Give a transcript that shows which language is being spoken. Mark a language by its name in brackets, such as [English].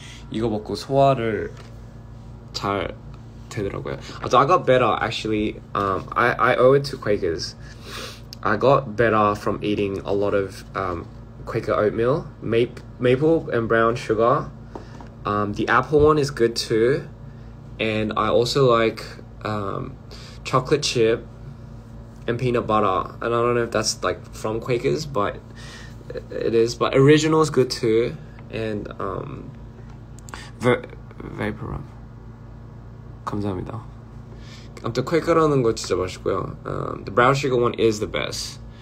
[Korean] 이거 먹고 소화를 잘 되더라고요. [English] So I got better actually. I owe it to Quakers. I got better from eating a lot of Quaker oatmeal, maple and brown sugar. The apple one is good too, and I also like chocolate chip and peanut butter. And I don't know if that's like from Quakers, but it is. But original is good too, and vapor rub. [Korean] 감사합니다. 아무튼 Quaker라는 거 진짜 맛있고요. [English] The brown sugar one is the best.